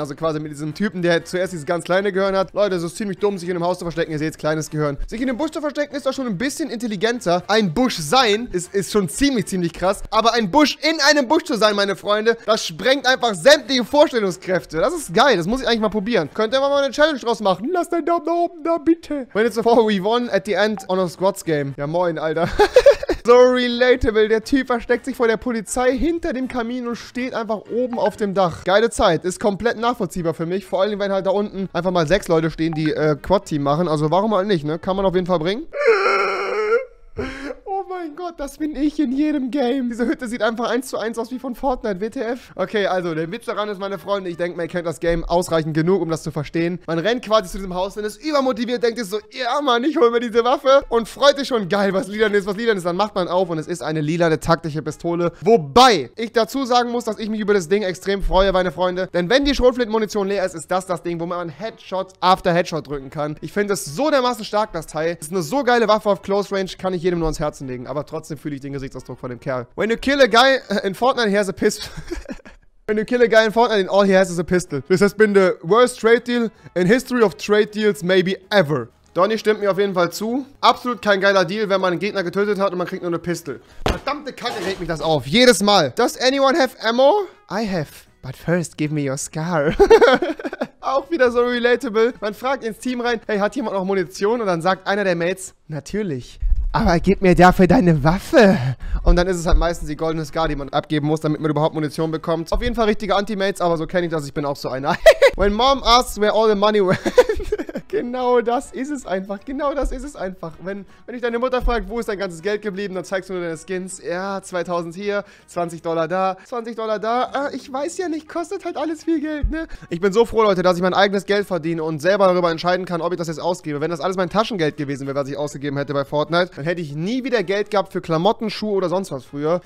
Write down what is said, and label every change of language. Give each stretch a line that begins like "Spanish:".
German: Also quasi mit diesem Typen, der zuerst dieses ganz kleine Gehirn hat. Leute, es ist ziemlich dumm, sich in einem Haus zu verstecken. Ihr seht, kleines Gehirn. Sich in einem Busch zu verstecken, ist doch schon ein bisschen intelligenter. Ein Busch sein ist schon ziemlich, ziemlich krass. Aber ein Busch in einem Busch zu sein, meine Freunde, das sprengt einfach sämtliche Vorstellungskräfte. Das ist geil, das muss ich eigentlich mal probieren. Könnt ihr mal eine Challenge draus machen? Lass deinen Daumen nach oben da, bitte.
English: When it's a 4v1 at the end on a squads game.
German: Ja, moin, Alter. So relatable, der Typ versteckt sich vor der Polizei hinter dem Kamin und steht einfach oben auf dem Dach. Geile Zeit, ist komplett nachvollziehbar für mich. Vor allem, wenn halt da unten einfach mal 6 Leute stehen, die Quad-Team machen. Also warum halt nicht, ne? Kann man auf jeden Fall bringen. Oh mein mein Gott, das bin ich in jedem Game. Diese Hütte sieht einfach 1:1 aus wie von Fortnite, WTF. Okay, also der Witz daran ist, meine Freunde, ich denke, man kennt das Game ausreichend genug, um das zu verstehen. Man rennt quasi zu diesem Haus und ist übermotiviert, denkt sich so, ja Mann, ich hol mir diese Waffe und freut sich schon, geil, was lilan ist. Dann macht man auf und es ist eine lilane taktische Pistole. Wobei ich dazu sagen muss, dass ich mich über das Ding extrem freue, meine Freunde. Denn wenn die Schrotflintenmunition leer ist, ist das Ding, wo man Headshot after Headshot drücken kann. Ich finde es so dermaßen stark, das Teil. Das ist eine so geile Waffe auf Close Range, kann ich jedem nur ans Herzen legen. Aber trotzdem fühle ich den Gesichtsausdruck von dem Kerl.
English: When you kill a guy in Fortnite, he has a pistol. When you kill a guy in Fortnite, all he has is a pistol. This has been the worst trade deal in history of trade deals maybe ever.
German: Donny stimmt mir auf jeden Fall zu. Absolut kein geiler Deal, wenn man einen Gegner getötet hat und man kriegt nur eine Pistol. Verdammte Kacke, regt mich das auf. Jedes Mal.
English: Does anyone have ammo? I have. But first, give me your scar.
German: Auch wieder so relatable. Man fragt ins Team rein, hey, hat jemand noch Munition? Und dann sagt einer der Mates, natürlich. Aber gib mir dafür deine Waffe. Und dann ist es halt meistens die goldene Scar, die man abgeben muss, damit man überhaupt Munition bekommt. Auf jeden Fall richtige Anti-Mates, aber so kenne ich das. Ich bin auch so einer.
English: When mom asks where all the money went.
German: Genau das ist es einfach. Genau das ist es einfach. Wenn ich deine Mutter fragt, wo ist dein ganzes Geld geblieben, dann zeigst du nur deine Skins. Ja, 2000 hier, $20 da, $20 da. Ich weiß ja nicht, kostet halt alles viel Geld, ne? Ich bin so froh, Leute, dass ich mein eigenes Geld verdiene und selber darüber entscheiden kann, ob ich das jetzt ausgebe. Wenn das alles mein Taschengeld gewesen wäre, was ich ausgegeben hätte bei Fortnite, dann hätte ich nie wieder Geld gehabt für Klamotten, Schuhe oder sonst was früher.